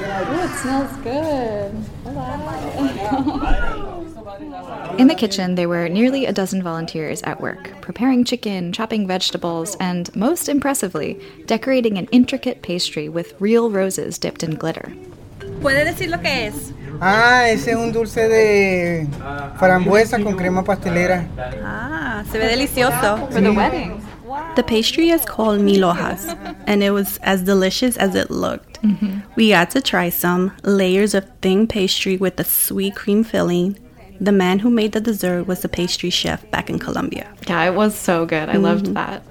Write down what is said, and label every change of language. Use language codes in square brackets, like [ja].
[en] guys. Oh, it smells good. In the kitchen, there were nearly a dozen volunteers at work, preparing chicken, chopping vegetables, and, most impressively, decorating an intricate pastry with real roses dipped in glitter. [es] ¿Puede decir lo que es? Ah, ese es un dulce de frambuesa con crema pastelera. Ah, se ve delicioso. [en] For the wedding. The pastry is called milhojas, and it was as delicious as it looked. Mm-hmm. We got to try some layers of thin pastry with a sweet cream filling. The man who made the dessert was the pastry chef back in Colombia. Yeah, it was so good. I loved that.